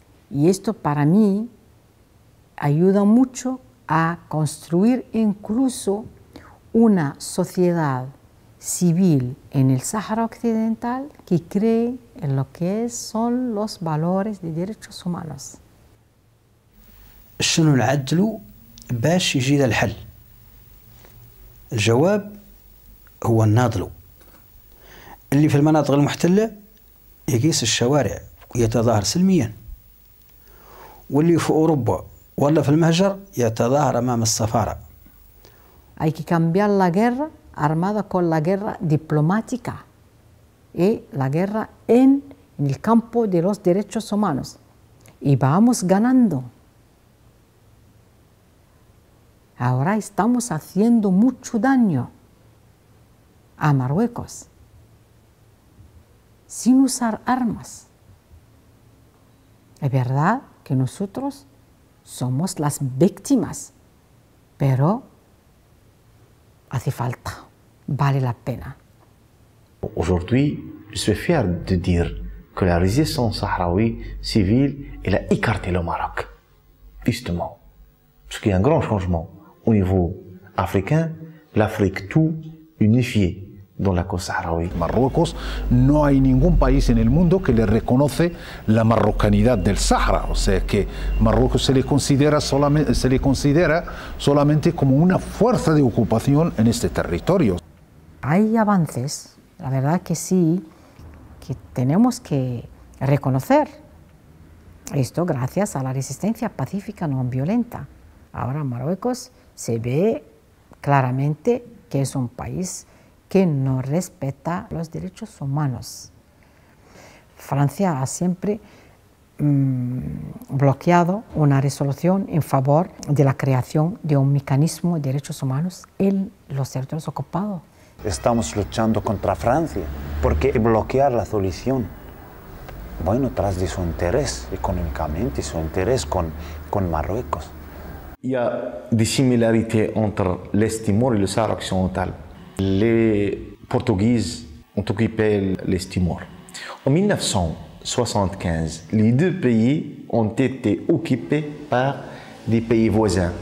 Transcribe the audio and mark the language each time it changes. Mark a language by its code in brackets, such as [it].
[es] Y esto para mí ayuda mucho a construir incluso una sociedad civil en el Sáhara Occidental que cree en lo que son los valores de derechos humanos. [ar] شنو نعدلو باش يجي للحل؟ الجواب هو الناضلو اللي في المناطق المحتلة يقيس الشوارع يتظاهر سلميا واللي في أوروبا ولا في المهجر يتظاهر أمام السفارة. [es] Hay que cambiar la guerra armada con la guerra diplomática y la guerra en el campo de los derechos humanos. Y vamos ganando. Ahora estamos haciendo mucho daño a Marruecos sin usar armas. Es verdad que nosotros somos las víctimas, pero hace falta, vale la pena. [fr] Aujourd'hui, je suis fier de dire que la résistance sahraoui civile, elle a écarté le Maroc, justement. Ce qui est un grand changement au niveau africain, l'Afrique tout unifiée dans la cause sahraoui. [es] Marruecos, no hay ningún país en el mundo que le reconoce la marrocanidad del Sahara. O sea que Marruecos se le considera solamente como una fuerza de ocupación en este territorio. Hay avances, la verdad que sí, que tenemos que reconocer esto gracias a la resistencia pacífica no violenta. Ahora Marruecos se ve claramente que es un país que no respeta los derechos humanos. Francia ha siempre bloqueado una resolución en favor de la creación de un mecanismo de derechos humanos en los territorios ocupados. Estamos luchando contra Francia porque bloquear la solución, bueno, tras de su interés económicamente, su interés con Marruecos. [fr] Il y a des similarités entre l'Est Timor et le Sahara occidental. Les Portugais ont occupé l'Est Timor. En 1975, les deux pays ont été occupés par des pays voisins.